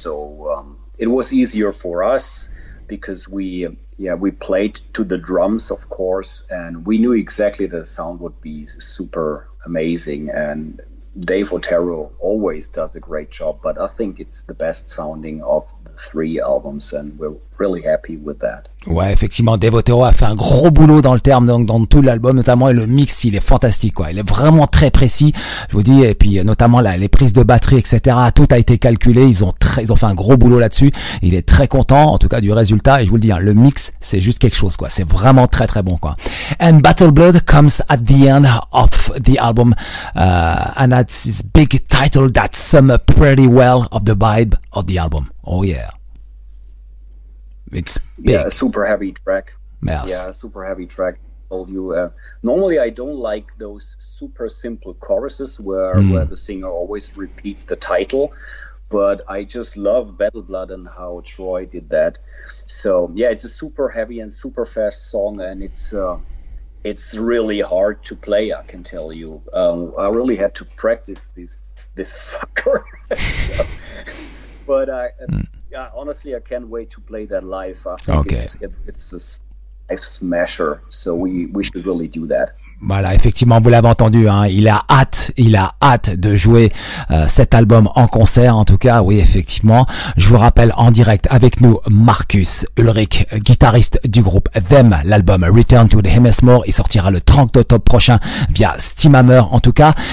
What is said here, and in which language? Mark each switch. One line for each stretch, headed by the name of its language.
English: So it was easier for us because we played to the drums, of course, and we knew exactly the sound would be super amazing. And Dave Otero always does a great job, but I think it's the best sounding of three albums, and we're really happy with that.
French: Ouais, effectivement, Dave Otero a fait un gros boulot dans le terme, donc dans tout l'album, notamment, et le mix, il est fantastique, quoi. Il est vraiment très précis, je vous dis, et puis notamment là, les prises de batterie, etc., tout a été calculé, ils ont fait un gros boulot là-dessus, il est très content, en tout cas, du résultat, et je vous le dis, hein, le mix, c'est juste quelque chose, quoi. C'est vraiment très très bon, quoi.
English: And Battle Blood comes at the end of the album, and that's this big title that sums up pretty well of the vibe of the album. Oh yeah, it's big. Yeah, a super heavy track. Yes. Yeah, a super heavy track. I told you. Normally, I don't like those super simple choruses where the singer always repeats the title, but I just love Battle Blood and how Troy did that. So yeah, it's a super heavy and super fast song, and it's really hard to play. I can tell you, I really had to practice this fucker. But honestly, I can't wait to play that live. I think it's a life smasher, so we should really do that.
French: Voilà, effectivement, vous l'avez entendu, hein, il a hâte de jouer cet album en concert, en tout cas, oui, effectivement. Je vous rappelle, en direct avec nous, Markus Ullrich, guitariste du groupe Them, l'album Return to the Hemmersmoor, il sortira le 30 octobre prochain via Steamhammer, en tout cas.